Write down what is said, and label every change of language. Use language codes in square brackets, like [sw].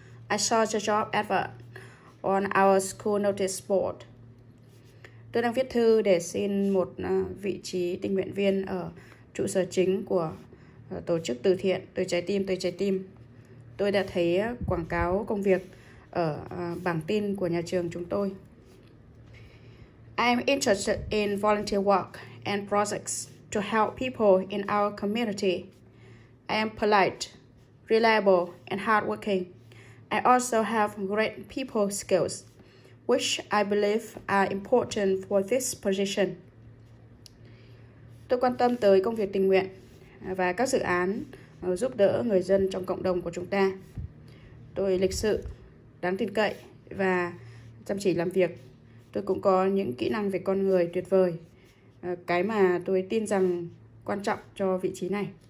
[en] I saw the job advert on our school notice board. [vi] Tôi đang viết thư để xin một vị trí tình nguyện viên ở trụ sở chính của tổ chức từ thiện Từ Trái Tim, Từ Trái Tim. Tôi đã thấy quảng cáo công việc ở bảng tin của nhà trường chúng tôi. [en] I am interested in volunteer work and projects to help people in our community. I am polite, reliable, and hardworking. I also have great people skills, which I believe are important for this position. [vi] Tôi quan tâm tới công việc tình nguyện và các dự án giúp đỡ người dân trong cộng đồng của chúng ta. Tôi lịch sự, đáng tin cậy và chăm chỉ làm việc. Tôi cũng có những kỹ năng về con người tuyệt vời. Cái mà tôi tin rằng quan trọng cho vị trí này.